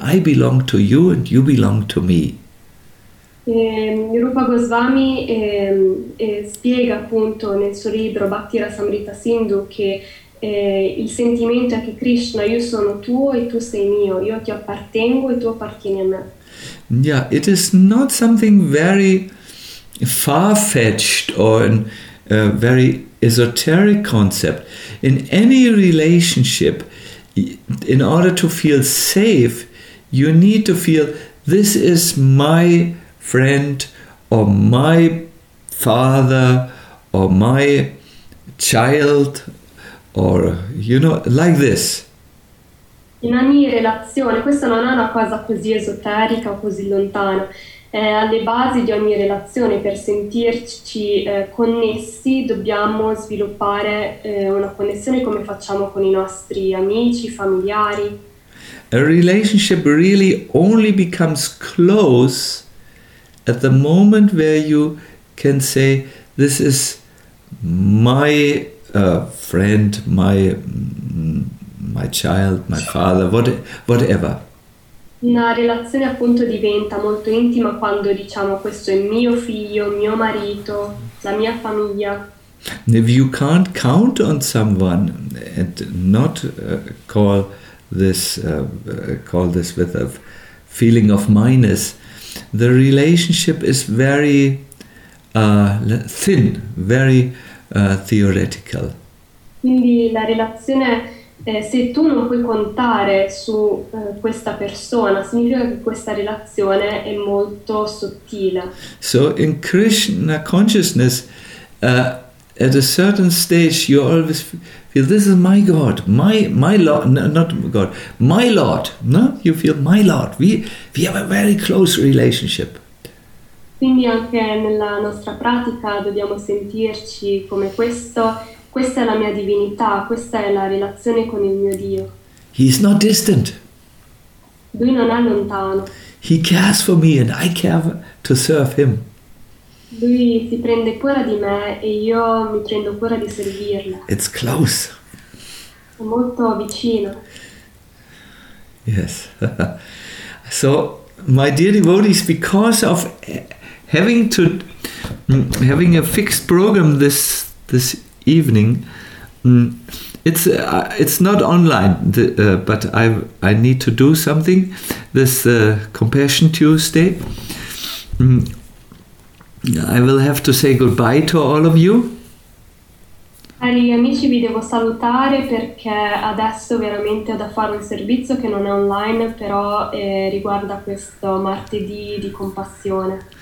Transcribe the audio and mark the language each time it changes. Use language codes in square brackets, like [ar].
[en] I belong to you and you belong to me. [it] Rupa Goswami spiega appunto nel suo libro Bhakti Rasamrita Sindhu che il sentimento è che Krishna, io sono tuo e tu sei mio, io ti appartengo e tu appartieni a me. [en] Yeah, it is not something very far-fetched or a very esoteric concept. In any relationship, in order to feel safe, you need to feel this is my friend or my father or my child, or, you know, like this. [it] In ogni relazione, questa non è una cosa così esoterica o così lontana. Alle basi di ogni relazione, per sentirci connessi, dobbiamo sviluppare una connessione come facciamo con i nostri amici, familiari. [en] A relationship really only becomes close at the moment where you can say, this is my friend, my child, my father, whatever. [it] Una relazione appunto diventa molto intima quando diciamo questo è mio figlio, mio marito, la mia famiglia. [en] If you can't count on someone and not call this with a feeling of minus, the relationship is very thin, very theoretical. [it] Quindi la relazione, se tu non puoi contare su questa persona, significa che questa relazione è molto sottile. [en] So in Krishna consciousness, at a certain stage, you always feel this is my God, my Lord, not God, my Lord. No, you feel my Lord. We have a very close relationship. [it] Quindi anche nella nostra pratica dobbiamo sentirci come questo. Questa è la mia divinità, questa è la relazione con il mio Dio. [en] He's not distant. [it] Lui non è lontano. [en] He cares for me and I care to serve him. [it] Lui si prende cura di me e io mi prendo cura di servirla. [en] It's close. [it] È molto vicino. [en] Yes. So, my dear devotees, because of having a fixed program this evening, it's not online, but I need to do something this Compassion Tuesday. I will have to say goodbye to all of you. [it] Cari amici, vi devo salutare perché adesso veramente ho da fare un servizio che non è online, però riguarda questo martedì di compassione.